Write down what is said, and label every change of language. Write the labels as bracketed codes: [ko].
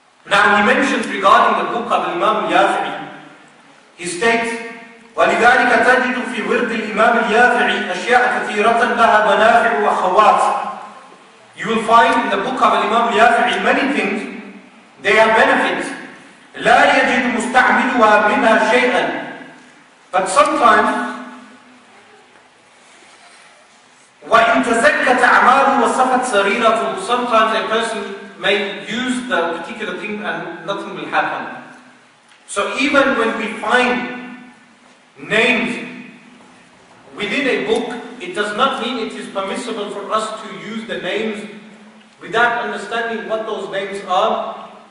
[en] And he mentions regarding the book of Imam al-Yafi'i, he states, [ar] وَلِذَٰلِكَ تَجِدُ فِي وِرْدِ الْإِمَامِ الْيَافِعِ أَشْيَاءَ كَثِيرَةً لَهَا مَنَافِعُ وَخَوَاتٍ. [en] You will find in the book of Imam al-Yafi'i many things, they have benefits. [ar] لَا يَجِدُ مُسْتَعْمِلُهَا مِنْهَا شَيْئًا. [en] But sometimes, [ar] وَإِن تَزَكَّتَ أَعْمَالُ وَصَفَتْ سَرِيرَةُ. [en] Sometimes a person may use the particular thing and nothing will happen. So even when we find names within a book, it does not mean it is permissible for us to use the names without understanding what those names are.